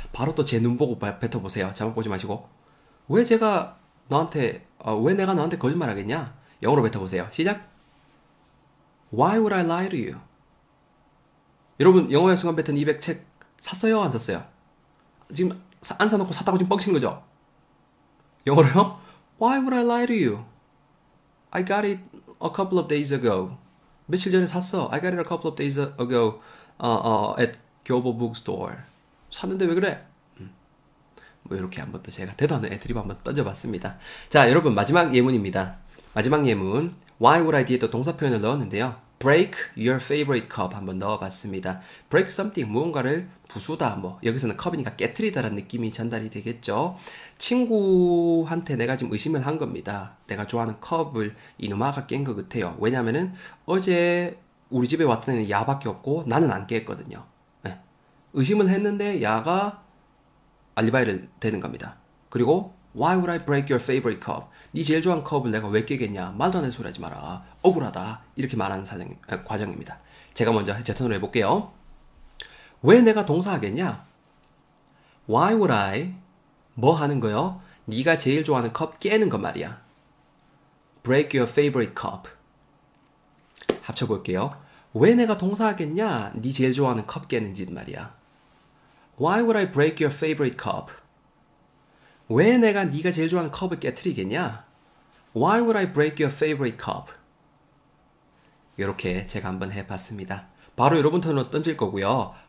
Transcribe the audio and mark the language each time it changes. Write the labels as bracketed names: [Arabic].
[Korean] 바로 또제 눈보고 뱉어보세요. 잘못 보지 마시고. 왜 내가 너한테 거짓말하겠냐? 영어로 뱉어보세요. 시작. [English] Why would I lie to you? [Korean] 여러분, 영어의 순간 뱉은 200책 샀어요? 안 샀어요? 지금 안 사놓고 샀다고 지금 뻥친 거죠? 영어로요? [English] Why would I lie to you? I got it a couple of days ago. [Korean] 며칠 전에 샀어. [English] I got it a couple of days ago at 교보 bookstore. [Korean] 샀는데 왜 그래? 뭐 이렇게 한번 또 제가 대단한 애드립 한번 던져봤습니다. 자, 여러분 마지막 예문입니다. 마지막 예문. [English] Why would I [Korean] 뒤에 또 동사 표현을 넣었는데요. [English] Break your favorite cup [Korean] 한번 넣어봤습니다. [English] Break something [Korean] 무언가를 부수다. 뭐 여기서는 컵이니까 깨트리다라는 느낌이 전달이 되겠죠. 친구한테 내가 지금 의심을 한 겁니다. 내가 좋아하는 컵을 이누마가 깬것 같아요. 왜냐면은 어제 우리 집에 왔던 애는 야밖에 없고 나는 안 깼거든요. 의심을 했는데 야가 알리바이를 대는 겁니다. 그리고 [English] Why would I break your favorite cup? [Korean] 네 제일 좋아하는 컵을 내가 왜 깨겠냐? 말도 안 되는 소리 하지 마라. 억울하다. 이렇게 말하는 과정입니다. 제가 먼저 제 톤으로 해볼게요. 왜 내가 동사하겠냐? [English] Why would I? [Korean] 뭐 하는 거요? 네가 제일 좋아하는 컵 깨는 거 말이야. [English] Break your favorite cup. [Korean] 합쳐볼게요. 왜 내가 동사하겠냐? 네 제일 좋아하는 컵 깨는 짓 말이야. [English] Why would I break your favorite cup? [Korean] 왜 내가 네가 제일 좋아하는 컵을 깨뜨리겠냐? [English] Why would I break your favorite cup? [Korean] 이렇게 제가 한번 해봤습니다. 바로 여러분들은 던질 거고요.